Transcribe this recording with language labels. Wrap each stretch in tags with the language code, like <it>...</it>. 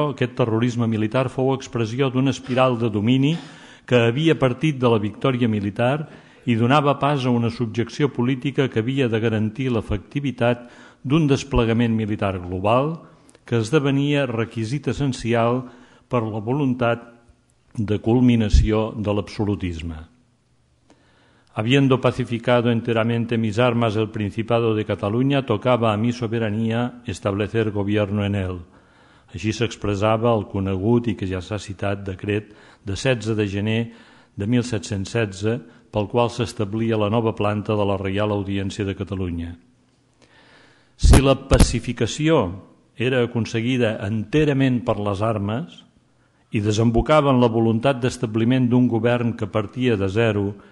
<ca>Aquest terrorisme militar fou expressió d'una espiral de domini que havia partit de la victòria militar i donava pas a una subjecció política que havia de garantir l'efectivitat d'un desplegament militar global que esdevenia requisit essencial per la voluntat de culminació de l'absolutisme.</ca> <es>Habiendo pacificado enteramente mis armas el Principado de Cataluña, tocaba a mi soberanía establecer gobierno en él.</es> <ca>Així s'expressava el conegut i que ja s'ha citat decret de 16 de gener de 1716 pel qual s'establia la nova planta de la Reial Audiència de Catalunya. Si la pacificació era aconseguida enterament per les armes i desembocava en la voluntat d'establiment d'un govern que partia de zero</ca>